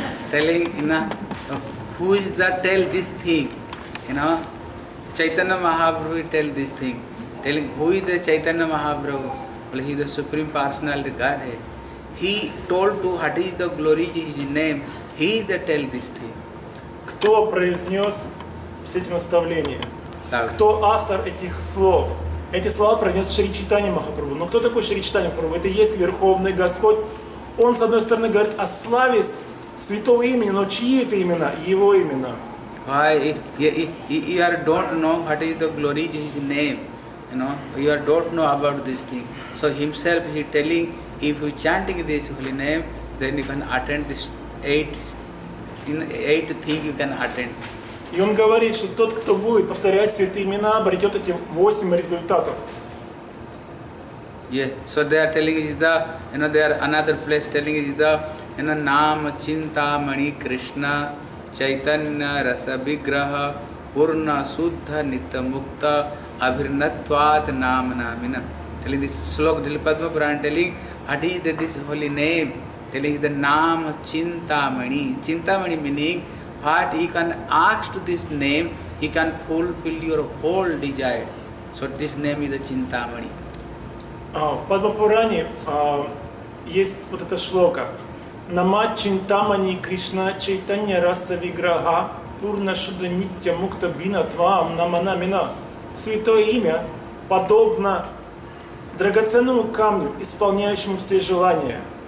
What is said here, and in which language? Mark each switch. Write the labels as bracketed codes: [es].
[en] Telling, you know, who is the tell this thing? You know, Chaitanya Mahaprabhu tell this thing. Telling who is the Chaitanya Mahaprabhu? Well, he is the Supreme Personality Godhead. He told to what is the glory of his name. He is the tell this thing. [ru] Кто произнес все эти наставления? Так. Кто автор этих слов? Эти слова произнес Шри Чайтанья Махапрабху. Но кто такой Шри Чайтанья Махапрабху? Это и есть Верховный Господь. Он, с одной стороны, говорит о славе святого имени, но чьи это имена? Его имена. [en] Why? You don't know what is the glory of His name. You know, you don't know about this thing. So Himself He telling, if you chanting this holy name, then you can attend this eight things you can attend. [ru] И он говорит, что тот, кто будет повторять святые имена, обретет эти восемь результатов. [en] Yeah, so they are telling is the, you know, they are another place telling is the, you know, [sa] Nam, Chinta, Mani, Krishna, Chaitanya, Rasabigraha, Purna, Suddha, Nitta, Mukta, Abhirnatvat, Nam, Namina. [en] Telling this slok, Dilipadma Puran telling, what is this holy name? Telling the Nam, Chinta, Mani. Chinta, Mani meaning, what he can ask to this name, he can fulfill your whole desire. So this name is the Chinta, Mani. [ru] В Падмапуране есть вот эта шлока. [sa] Нама чинтамани Кришна чайтанья раса виграха пурна шудра нитья мукта бина твам намана мина. [ru] Святое имя подобно драгоценному камню, исполняющему все желания.